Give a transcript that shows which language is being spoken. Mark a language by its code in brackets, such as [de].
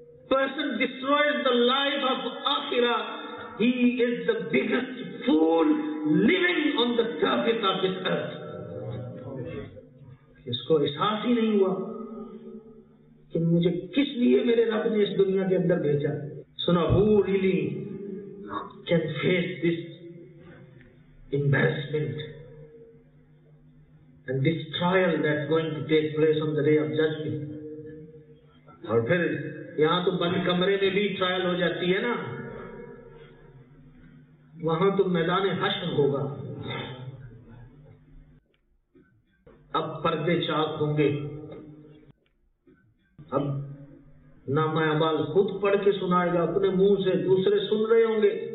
[en] Person destroys the life of आखिरा, he is the biggest fool living on the surface of this earth. [hi] इसको एहसास ही नहीं हुआ कि मुझे किस लिए मेरे रब ने इस दुनिया के अंदर भेजा. [en] सुनो, who really can face this embarrassment and this trial that's going to take place on the day of judgment. [hi] और फिर यहां तो बंद कमरे में भी ट्रायल हो जाती है ना, वहां तो मैदान हश्र होगा. अब पर्दे चाक होंगे, अब नामा अमाल खुद पढ़ के सुनाएगा अपने मुंह से, दूसरे सुन रहे होंगे.